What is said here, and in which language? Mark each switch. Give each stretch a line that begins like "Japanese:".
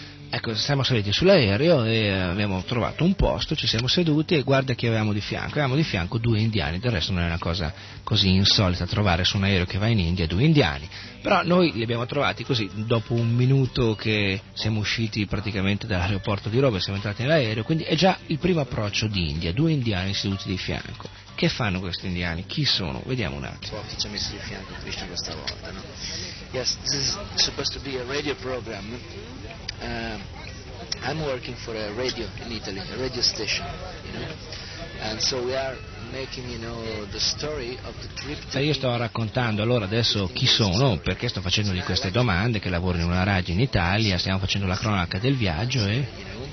Italian: Ecco, siamo saliti sull'aereo e abbiamo trovato un posto, ci siamo seduti e guarda chi avevamo di fianco due indiani, del resto non è una cosa così insolita trovare su un aereo che va in India due indiani, però noi li abbiamo trovati così, dopo un minuto che siamo usciti praticamente dall'aeroporto di Roma e siamo entrati nell'aereo, quindi è già il primo approccio d'India, due indiani seduti di fianco. Che fanno questi indiani? Chi sono? Vediamo un attimo. Chi ci ha messo di fianco Krishna questa volta, no?
English: Yes, this is supposed to be a radio program. I'm working for a radio in Italy, a radio station, you know, and so we are making, you know, the story of the trip.
Italian: E io sto raccontando allora adesso chi sono, perché sto facendogli queste domande, che lavoro in una radio in Italia, stiamo facendo la cronaca del viaggio e.